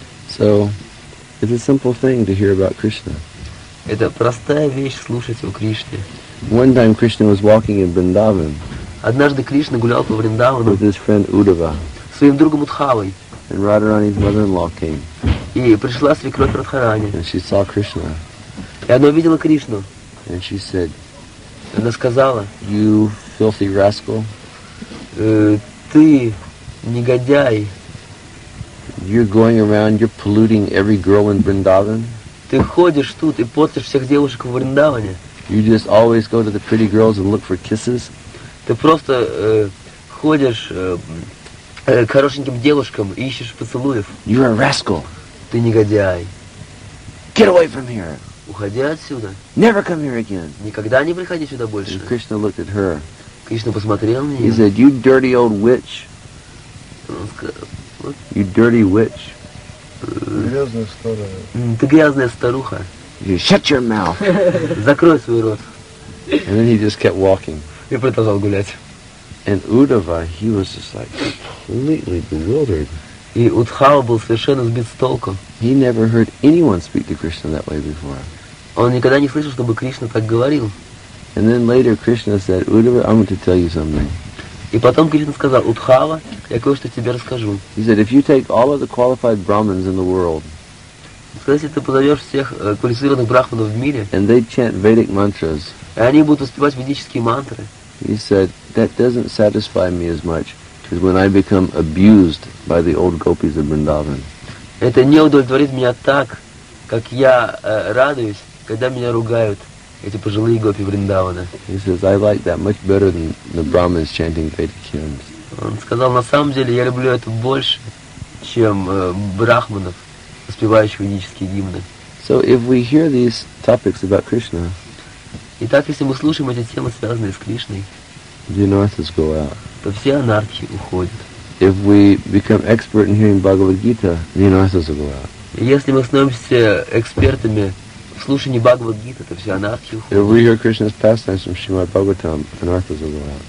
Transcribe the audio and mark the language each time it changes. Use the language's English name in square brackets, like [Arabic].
[English] So, it's a simple thing to hear about Krishna. [Russian] Это простая вещь слушать о Кришне. [English] One time Krishna was walking in Vrindavan. [Russian] Однажды Кришна гулял по Вриндавану [English] with his friend Uddhava. [Russian] Своим другом Удхавой. [English] And Radharani's mother-in-law came. [Russian] И пришла свекровь Радхарани. [English] And she saw Krishna. [Russian] И она увидела Кришну. [English] And she said, [Russian] она сказала, [English] you filthy rascal. [Russian] Ты негодяй. [English] You're going around, you're polluting every girl in Vrindavan. [Russian] Ты ходишь тут и портишь всех девушек в Вриндаване. [English] You just always go to the pretty girls and look for kisses. [Russian] Ты просто ходишь к хорошеньким девушкам и ищешь поцелуев. [English] You're a rascal. [Russian] Ты негодяй. [English] Get away from here. [Russian] Уходи отсюда. [English] Never come here again. [Russian] Никогда не приходи сюда больше. [English] And Krishna looked at her. [Russian] Кришна посмотрел на нее. [English] He said, you dirty old witch. [Russian] Он сказал, вот. [English] You dirty witch. [Russian] Грязная старуха. Ты грязная старуха. [English] Shut your mouth. [Russian] Закрой свой рот. [English] And then he just kept walking. [Russian] И продолжал гулять. [English] And Uddhava, he was just like completely bewildered. [Russian] И Удхава был совершенно сбит с толку. [English] He never heard anyone speak to Krishna that way before. [Russian] Он никогда не слышал, чтобы Кришна так говорил. [English] And then later Krishna said, Uddhava, I'm going to tell you something. [Russian] И потом Кришна сказал, Удхава, я кое-что тебе расскажу. [English] He said, if you take all of the qualified Brahmins in the world, [Russian] если ты позовешь всех квалифицированных брахманов в мире, [English] and they chant Vedic mantras, [Russian] и они будут успевать ведические мантры, [English] he said, that doesn't satisfy me as much as when I become abused by the old gopis of Vrindavan. [Russian] Это не удовлетворит меня так, как я радуюсь, когда меня ругают эти пожилые гопи Вриндавана. [English] He says, I like that much better than the Brahmins chanting Vedic hymns. [Russian] Он сказал, на самом деле я люблю это больше, чем брахманов, воспевающих ведические гимны. [English] So if we hear these topics about Krishna, [Russian] итак, если мы слушаем эти темы, связанные с Кришной, [English] the anarthas go out. [Russian] То все анархи уходят. [English] If we become expert in hearing Bhagavad Gita, the anarthas will go out. [Russian] Если мы становимся экспертами слушании Бхагавад-гиты, это все анархию. [English] If we hear Krishna's pastimes from Srimad Bhagavatam, anarchism will go out.